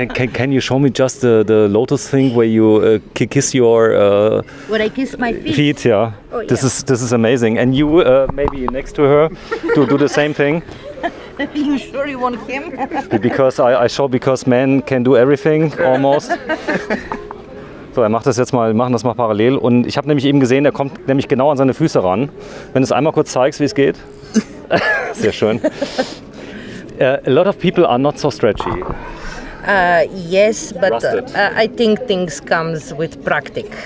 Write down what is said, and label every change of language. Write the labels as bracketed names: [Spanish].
[English] can you show me just the lotus thing where you kiss your. Where I kiss my feet. Feet, yeah. Oh, this is amazing. And you maybe next to her to do the same thing. You sure you want him? Because I show because men can do everything almost. [German] So, er macht das jetzt mal, machen das mal parallel. Und ich habe nämlich eben gesehen, er kommt nämlich genau an seine Füße ran. Wenn du es einmal kurz zeigst, wie es geht. Sehr schön. [English] A lot of people are not so stretchy. Yes, but I think things comes with practice.